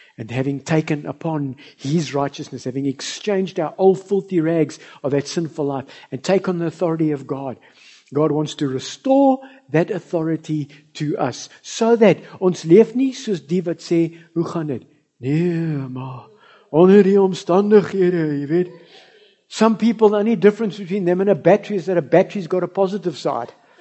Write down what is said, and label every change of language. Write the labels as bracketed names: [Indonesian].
[English] And having taken upon His righteousness, having exchanged our old filthy rags of that sinful life and taken on the authority of God, God wants to restore that authority to us so that [Afrikaans] ons leef nie soos die wat sê, hoe gaan dit? Nee, maar onder die omstandighede, jy weet. [English] Some people, the only difference between them and a battery is that a battery's got a positive side.